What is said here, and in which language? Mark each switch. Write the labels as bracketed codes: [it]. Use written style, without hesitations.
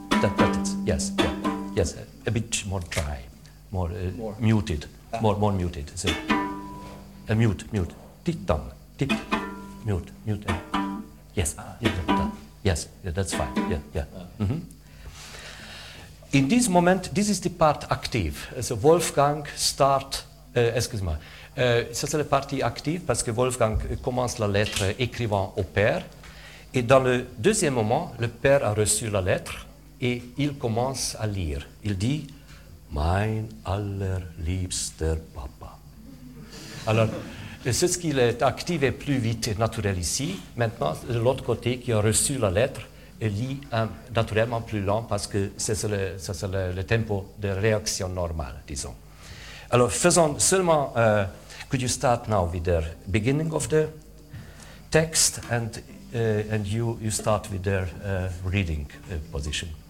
[en] That is, yes, yeah. Yes, a bit more dry, more. Muted, ah. more muted. So, mute, tick-tong, tick, mute. Yes, ah. Yeah, yeah, that's fine, yeah. Mm-hmm. In this moment, this is the part active. So Wolfgang start, excuse me. [fr] Ça, c'est la partie active parce que Wolfgang commence la lettre écrivant au père. Et dans le deuxième moment, le père a reçu la lettre et il commence à lire. Il dit « [de] Mein allerliebster Papa ». [fr] Alors, c'est ce qu'il est activé plus vite et naturel ici. Maintenant, de l'autre côté, qui a reçu la lettre, il lit naturellement plus lent parce que c'est le tempo de réaction normal, disons. Alors, faisons seulement... [en] could you start now with the beginning of the text and you start with the reading position.